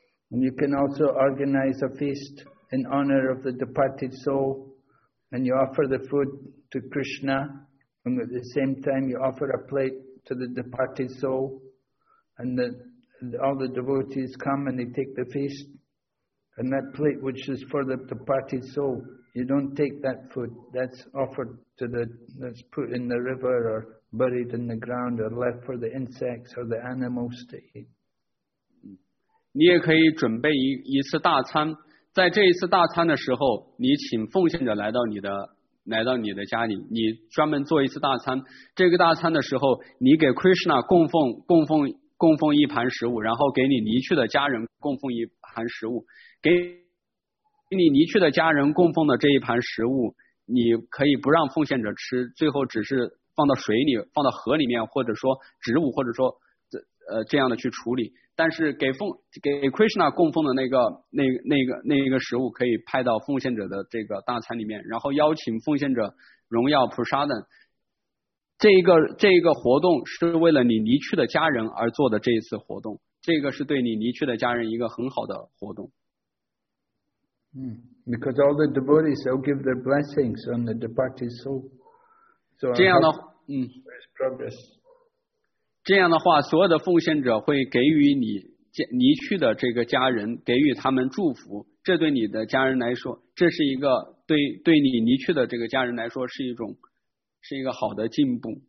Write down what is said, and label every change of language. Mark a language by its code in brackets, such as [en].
[en] And you can also organize a feast in honor of the departed soul, and you offer the food to Krishna, and at the same time you offer a plate to the departed soul, and all the devotees come and they take the feast, and that plate which is for the departed soul, you don't take that food, that's offered to the, that's put in the river or buried in the ground or left for the insects or the animals to eat. [zh] 你也可以准备 一次大餐，在这一次大餐的时候，你请奉献者来到你的家里，你专门做一次大餐。这个大餐的时候，你给 Krishna 供奉一盘食物，然后给你离去的家人供奉一盘食物，给你离去的家人供奉的这一盘食物，你可以不让奉献者吃，最后只是放到水里，放到河里面，或者说植物，或者说这样的去处理。但是给 Krishna 供奉的那个食物可以派到奉献者的这个大餐里面，然后邀请奉献者荣耀菩萨等。这个活动是为了你离去的家人而做的这一次活动，这个是对你离去的家人一个很好的活动。 [en] 嗯 ，because all the devotees will give their blessings on the departed soul. So [zh] 这样的 [en] progress. [zh] 这样的话，所有的奉献者会给予你离去的这个家人给予他们祝福，这对你的家人来说，这是一个对你离去的这个家人来说是一种是一个好的进步。